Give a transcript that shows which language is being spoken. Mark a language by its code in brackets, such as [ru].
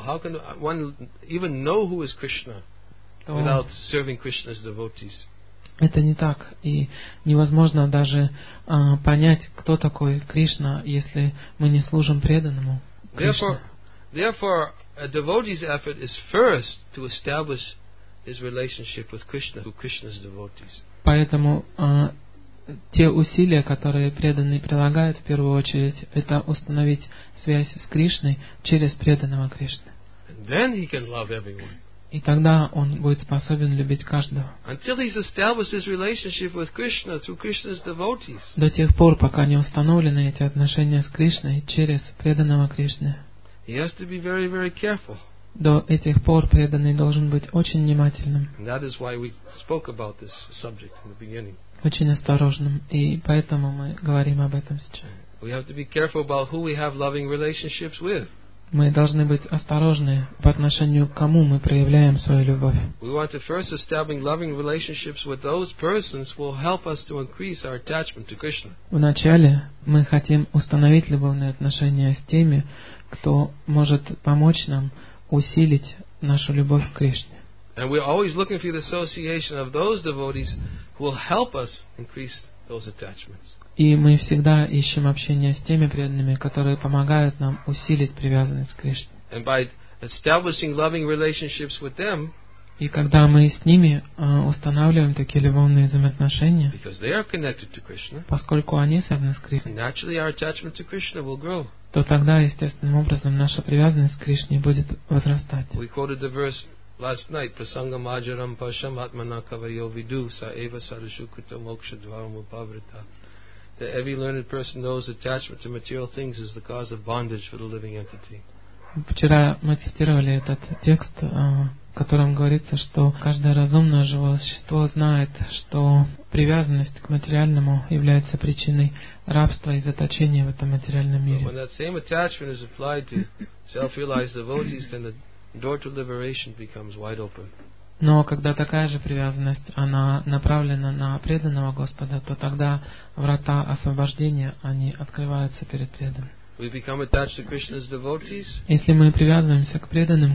[en] How can one even know who is Krishna without serving Krishna's devotees? [ru] Это не так. И невозможно даже понять, кто такой Кришна, если мы не служим преданному Кришне. [en] Therefore, a devotee's effort is first to establish his relationship with Krishna through Krishna's devotees. [ru] Поэтому те усилия, которые преданный прилагает в первую очередь, это установить связь с Кришной через преданного Кришны. [en] And then he can love everyone. [ru] И тогда он будет способен любить каждого. [en] Until he's established his relationship with Krishna through Krishna's devotees. [ru] До тех пор, пока не установлены эти отношения с Кришной через преданного Кришны. [en] He has to be very, very careful. [ru] До этих пор преданный должен быть очень внимательным. [en] And that is why we spoke about this subject in the beginning. [ru] Очень осторожным, и поэтому мы говорим об этом сейчас. [en] We have to be careful about who we have loving relationships with. [ru] Мы должны быть осторожны в отношении к кому мы проявляем свою любовь. [en] We want to first establish loving relationships with those persons who will help us to increase our attachment to Krishna. [ru] Вначале мы хотим установить любовные отношения с теми, кто может помочь нам усилить нашу любовь к Кришне. [en] And we're always looking for the association of those devotees who will help us increase those attachments. [ru] И мы всегда ищем общение с теми преданными, которые помогают нам усилить привязанность к Кришне. [en] And by establishing loving relationships with them, [ru] и когда мы с ними устанавливаем такие любовные взаимоотношения, [en] because they are connected to Krishna, [ru] поскольку они связаны с Кришной, [en] naturally our attachment to Krishna will grow. [ru] То тогда естественным образом наша привязанность к Кришне будет возрастать. [en] We quoted the verse last night, [sa] prasangam ajaram pasham atmana kavayo vidu sa eva sarasukrita moksha dvaram upavrita. [en] That every learned person knows attachment to material things is the cause of bondage for the living entity. [ru] Вчера мы цитировали этот текст, котором говорится, что каждое разумное живое существо знает, что привязанность к материальному является причиной рабства и заточения в этом материальном мире. [en] When that same attachment is applied to self-realized devotees, then the door to liberation becomes wide open. [ru] Но когда такая же привязанность, она направлена на преданного Господа, то тогда врата освобождения, они открываются перед преданным. Если мы привязываемся к преданным